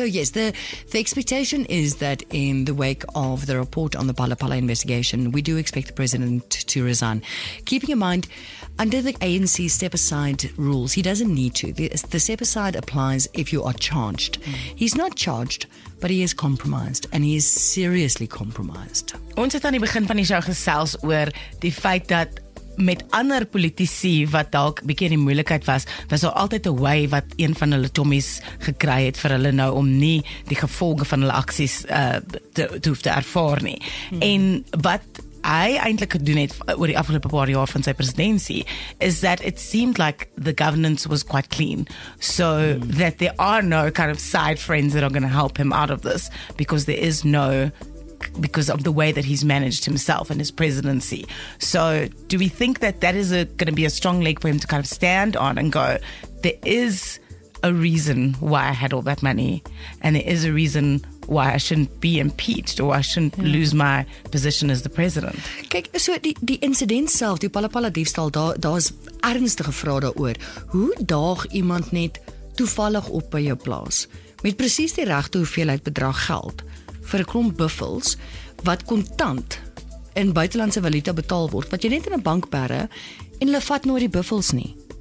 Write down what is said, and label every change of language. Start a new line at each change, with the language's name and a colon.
English: So, yes, the expectation is that in the wake of the report on the Palapala investigation, we do expect the president to resign. Keeping in mind, under the ANC step-aside rules, he doesn't need to. The step-aside applies if you are charged. He's not charged, but he is compromised, and he is seriously compromised.
Afrikaans: Ons het aan die begin van die show gesels oor die feit dat met ander politici wat dalk bietjie in die moeilikheid was, was daar altyd 'n way wat een van hulle tommies gekry het vir hulle nou om nie die gevolge van hulle aksies te hoef te ervaar nie. En wat hy eintlik gedoen het oor die afgelope paar jaar van sy presidentsie is
English: that it seemed like the governance was quite clean, so that there are no kind of side friends that are going to help him out of this, because there is no, because of the way that he's managed himself and his presidency. So do we think that that is going to be a strong leg for him to kind of stand on and go, there is a reason why I had all that money, and there is a reason why I shouldn't be impeached, or I shouldn't lose my position as the president.
Afrikaans: Kyk, so die incident self, die Palapala diefstal, daar is ernstige vraag daaroor. Hoe daag iemand net toevallig op by jou plaas met precies die regte hoeveelheid bedrag geld vir 'n klomp buffels wat kontant in buitelandse valuta betaal word, wat jy net in 'n bank bere en hulle vat nooit die buffels nie.